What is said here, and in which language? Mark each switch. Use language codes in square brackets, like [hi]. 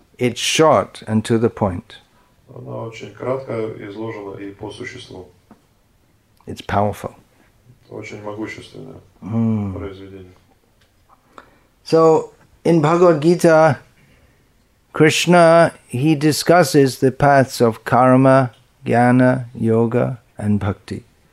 [en] It's short and to the point. [ru] Она очень кратко изложена и по существу. [en] It's powerful. [ru] Очень могущественное произведение. [en] So, in Bhagavad-gita, Krishna, he discusses the paths of karma, jnana, yoga, and bhakti.